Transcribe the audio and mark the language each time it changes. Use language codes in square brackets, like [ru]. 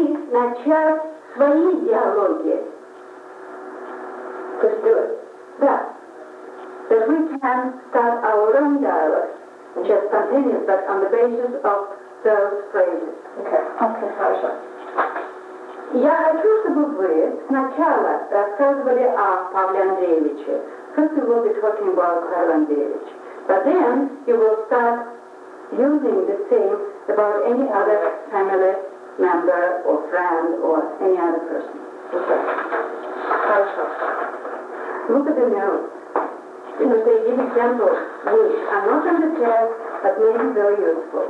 [ru] Начать свои диалоги. То есть, да, [en] and start our own dialogue, which has continued, but on the basis of those phrases. Okay. Okay. [ru] Хорошо. Я хочу, чтобы вы сначала рассказывали о Павле Андреевиче. [en] First we will be talking about Павел Андреевич. But then you will start using the same about any other family member or friend or any other person. Okay. [ru] Хорошо. [en] Look at the mirror. You know, they give examples which are not on the test, but may be very useful.